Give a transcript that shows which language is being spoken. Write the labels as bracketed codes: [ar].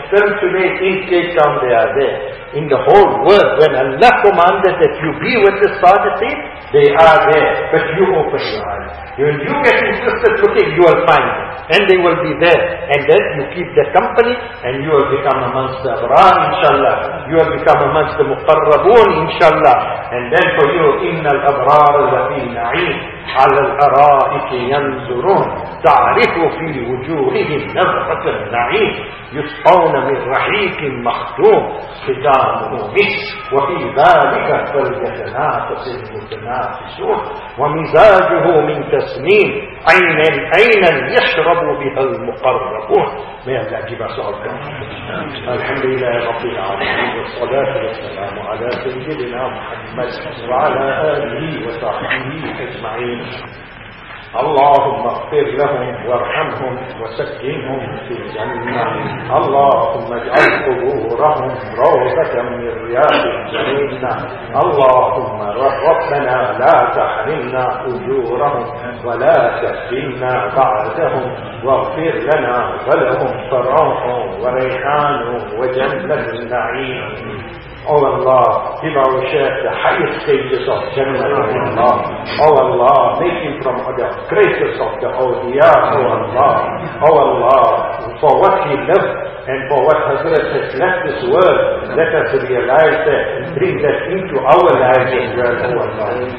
[en] Still today in Cape Town, they are there. In the whole world, when Allah commanded that you be with the sadiqeen, they are there. But you open your eyes. When you get interested looking, you will find them. And they will be there. And then you keep their company and you will become amongst the abrar, inshallah. You will become amongst the muqarrabun, inshallah. And then for you, [ar] inna al-abrar lafi na'im. الأرائك ينظرون تعرف في وجوههم نظرة النعيم يسقون من رحيق مختوم ختامه مسك وفي ذلك فليتنافس المتنافسون ومزاجه من تسنيم عينا عينا يشرب بها المقربون. [en] May Allah give us all comfort. [ar] Alhamdulillah, Rabbil Alameen, wa salatu wa salamu ala Sayyidina Muhammad wa ala alihi wa sahbihi ajma'in. اللهم اغفر لهم وارحمهم وسكنهم في الجنة. اللهم اجعل قبورهم روضة من رياض الجنة. اللهم ربنا لا تحرمنا أجورهم ولا تفتنا بعدهم واغفر لنا ولهم فراح وريحان وجنة النعيم. [en] Oh Allah, give our Shaykh the highest stages of Jannah, Allah. Oh Allah, make him from the greatest of the awliya, oh Allah. Oh Allah, for what he lived and for what Hazrat has left this world, let us realize that and bring that into our lives as well, oh Allah.